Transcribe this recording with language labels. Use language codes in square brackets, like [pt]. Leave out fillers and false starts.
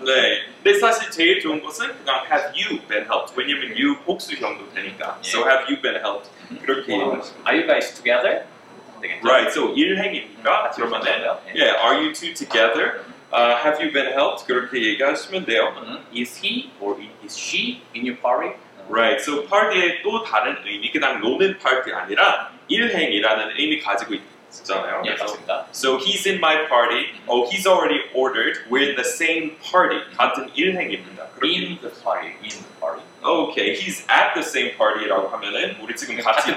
[ko] 네, 근데 사실 제일 좋은 것은 그냥 [en] have you been helped? [ko] 왜냐면 [en] you [ko] 복수형도 되니까 예. [en] So have you been helped? [ko] 그렇게 [en] Are you guys together? Right, so [ko] 일행이니까 그러면은 예. [en] Yeah, are you two together? Have you been helped? [ko] 그렇게 얘기하시면 돼요. [en] Is he or is she in your party? Right. [ko] So party의 또 다른 의미, 그냥 노는 파티 아니라 일행이라는 의미 가지고 있잖아요. 예, 맞습니다. [en] So he's in my party. Oh, he's already ordered. We're in the same party. [ko] 같은 일행입니다. 그렇게. [en] In the party. In the party. Okay. He's at the same party [ko] 라고 하면은 우리 지금 같이